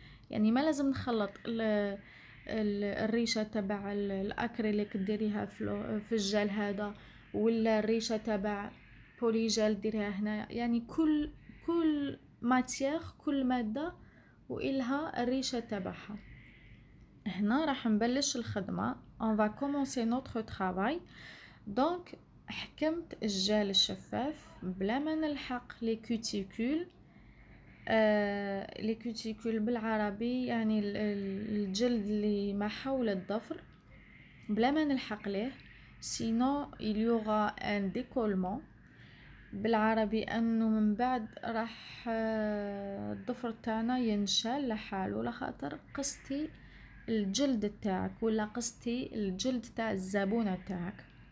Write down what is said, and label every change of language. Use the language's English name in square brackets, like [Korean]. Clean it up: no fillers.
[Arabic] يعني ما لازم نخلط الريشة تبع الأكريليك ديريها في الجل هذا، ولا الريشة تبع بولي جل ديريها هنا. يعني كل ماتيغ، كل مادة وإلها الريشة تبعها. هنا راح نبلش الخدمة، [French] on va commencer notre travail. [Arabic] دونك حكمت الجل الشفاف بلا ما نلحق لي كوتيكول. لي كوتيكول بالعربي يعني الجلد اللي ما حول الظفر، بلا ما نلحق ليه. سينو [French] il y aura un décollement، [Arabic] بالعربي انه من بعد راح الظفر تاعنا ينشال لحاله، لخاطر قصتي الجلد تاعك ولا قصتي الجلد تاع الزبونه تاعك.